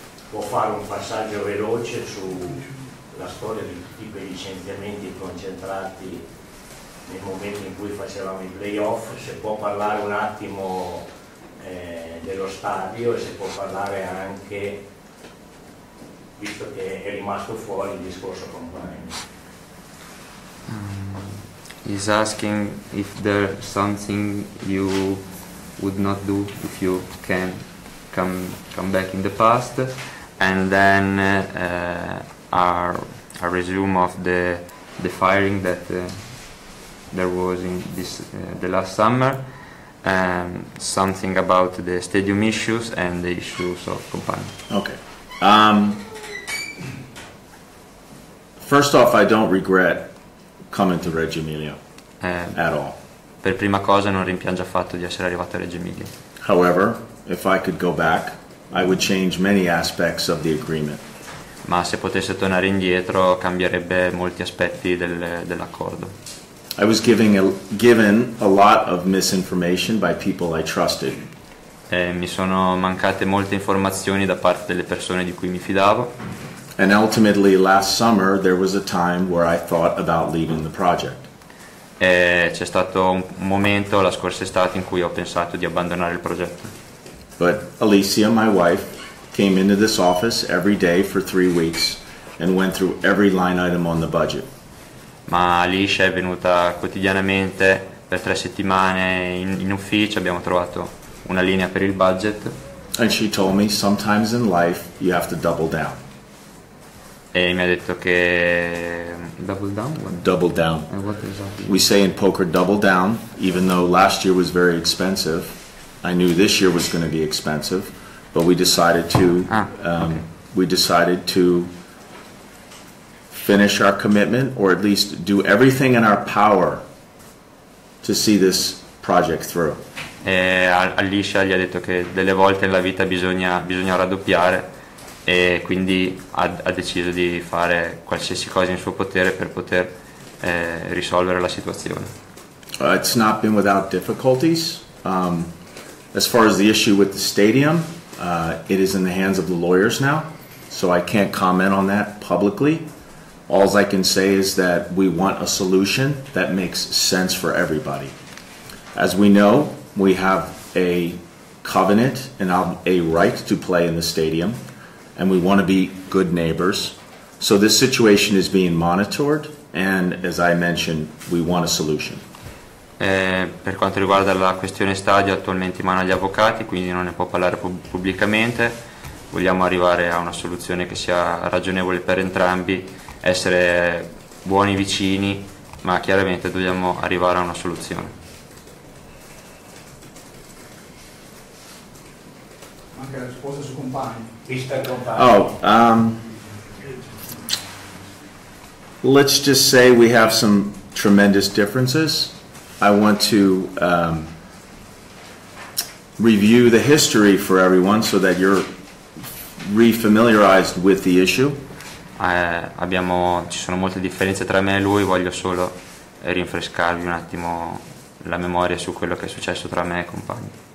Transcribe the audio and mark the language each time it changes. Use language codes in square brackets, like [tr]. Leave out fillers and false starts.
[it] può fare un passaggio veloce sulla storia di tutti quei licenziamenti concentrati nel momento in cui facevamo i playoff, se può parlare un attimo dello stadio e se può parlare anche, visto che è rimasto fuori il discorso con Brian. [en] He's asking if there's something you would not do if you can come back in the past, and then a resume of the firing that there was in this the last summer, something about the stadium issues and the issues of Company. Okay. First off, I don't regret coming to Reggio Emilia at all. [it] Per prima cosa non rimpiango affatto di essere arrivato a Reggio Emilia. [en] However, if I could go back, I would change many aspects of the agreement. [it] Ma se potesse tornare indietro, cambierebbe molti aspetti dell'accordo. [en] I was given a lot of misinformation by people I trusted. [it] Mi sono mancate molte informazioni da parte delle persone di cui mi fidavo. [en] And ultimately, last summer, there was a time where I thought about leaving the project. [it] C'è stato un momento la scorsa estate in cui ho pensato di abbandonare il progetto. [en] But Alicia, my wife, came into this office every day for 3 weeks and went through every line item on the budget. [it] Ma Alicia è venuta quotidianamente per 3 settimane in ufficio, abbiamo trovato una linea per il budget. [en] And she told me sometimes in life you have to double down. [it] E mi ha detto che [en] double down? Double down. And what is that? We say in poker double down, even though last year was very expensive. I knew this year was going to be expensive, but we decided to finish our commitment, or at least do everything in our power to see this project through. [it] E Alicia gli ha detto che delle volte nella vita bisogna raddoppiare, e quindi ha deciso di fare qualsiasi cosa in suo potere per poter risolvere la situazione. [en] It's not been without difficulties. As far as the issue with the stadium, it is in the hands of the lawyers now, so I can't comment on that publicly. All I can say is that we want a solution that makes sense for everybody. As we know, we have a covenant and a right to play in the stadium, and we want to be good neighbors. So this situation is being monitored, and as I mentioned, we want a solution. [it] Per quanto riguarda la questione stadio, attualmente in mano agli avvocati, quindi non ne può parlare pubblicamente. Vogliamo arrivare a una soluzione che sia ragionevole per entrambi, essere buoni vicini, ma chiaramente dobbiamo arrivare a una soluzione. Anche la risposta su Compagni. Vista Compagni. [en] Let's just say we have some tremendous differences. I want to review the history for everyone so that you're re-familiarized with the issue. [it] Ci sono molte differenze tra me e lui, voglio solo rinfrescarvi un attimo la memoria su quello che è successo tra me e compagni.